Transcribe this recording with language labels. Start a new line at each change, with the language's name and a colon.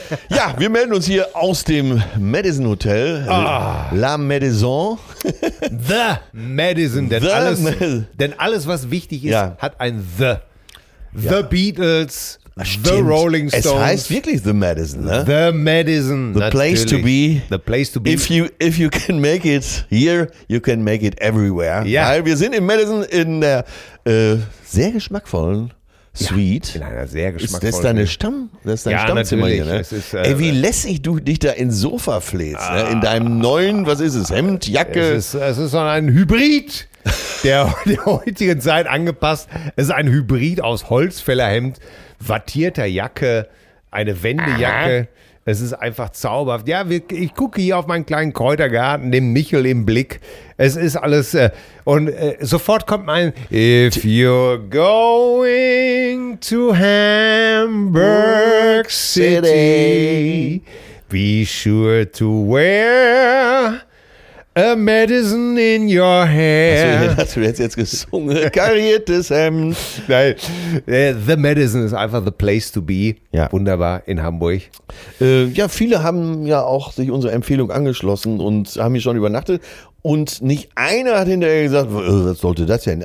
German: Ja, wir melden uns hier aus dem Madison Hotel. La Madison. The Madison. Denn, alles, was wichtig ist, hat ein The. The Beatles, The Rolling Stones. Es heißt wirklich The Madison, ne? The Madison,
English: the
German: natürlich.
English: Place to be. The place to be. If you can make it here, you can make it everywhere.
German: Ja. Weil wir sind in Madison in der sehr geschmackvollen Suite. Ja, in einer sehr geschmackvollen. Ist das deine Stamm? Das ist dein Stammzimmer natürlich. Hier, ne? Ist, ey, wie lässig du dich da ins Sofa flehst, ne? In deinem neuen, was ist es, Hemd, Jacke? Es ist so ein Hybrid. Der heutigen Zeit angepasst. Es ist ein Hybrid aus Holzfällerhemd, wattierter Jacke, eine Wendejacke. Es ist einfach zauberhaft. Ja, ich gucke hier auf meinen kleinen Kräutergarten, den Michel im Blick. Es ist alles. Und sofort kommt mein.
English: If you're going to Hamburg City, be sure to wear. A Madison in your hair.
German: Achso, ich dachte, du hättest jetzt gesungen. Kariertes Hemd. Nein. The Madison ist einfach
English: the place to be.
German: Ja. Wunderbar, in Hamburg. Ja, viele haben ja auch sich unsere Empfehlung angeschlossen und haben hier schon übernachtet. Und nicht einer hat hinterher gesagt, was sollte das denn?